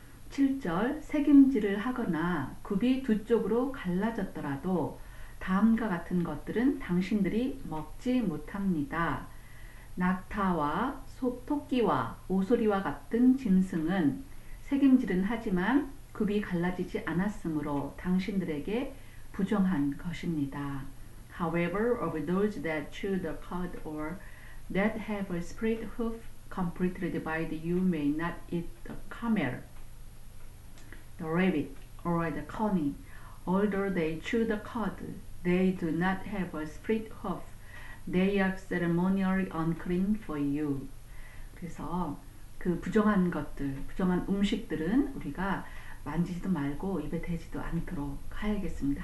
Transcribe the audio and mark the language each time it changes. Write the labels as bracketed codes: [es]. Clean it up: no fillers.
[ko] 7절, 새김질을 하거나 굽이 두 쪽으로 갈라졌더라도 다음과 같은 것들은 당신들이 먹지 못합니다. 낙타와 토끼와 오소리와 같은 짐승은 새김질은 하지만 굽이 갈라지지 않았으므로 당신들에게 부정한 것입니다. [en] However, of those that chew the cud or that have a split hoof completely divided, you may not eat the camel, the rabbit, or the coney. Although they chew the cud, they do not have a split hoof. They are ceremonially unclean for you. [ko] 그래서 그 부정한 것들, 부정한 음식들은 우리가 만지지도 말고 입에 대지도 않도록 해야겠습니다.